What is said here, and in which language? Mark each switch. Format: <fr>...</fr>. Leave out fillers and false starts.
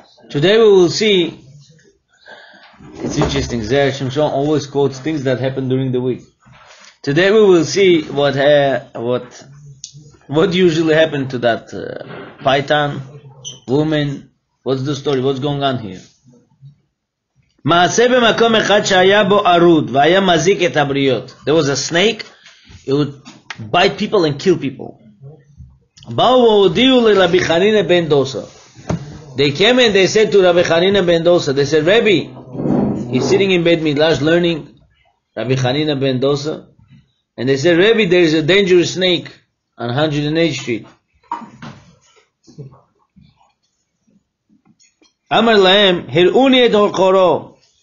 <en>Today we will see, it's interesting, Zera Shimshon always quotes things that happen during the week. Today we will see what usually happened to that python, woman. What's the story, what's going on here?</en> <he>מעשה במקום אחד שהיה בו ערוד והיה מזיק את הבריות.</he> <en>There was a snake, it would bite people and kill people.</en> <he>באו והודיעו לרבי חנינא בן דוסא.</he> <en>They came and they said to רבי חנינא בן דוסא, they said, Rabbi, he's sitting in bed midrash learning, רבי חנינא בן דוסא, and they said, Rabbi, there is a dangerous snake on 108th Street.</en> <he>אמר להם, הראוני את הורכורו.</he>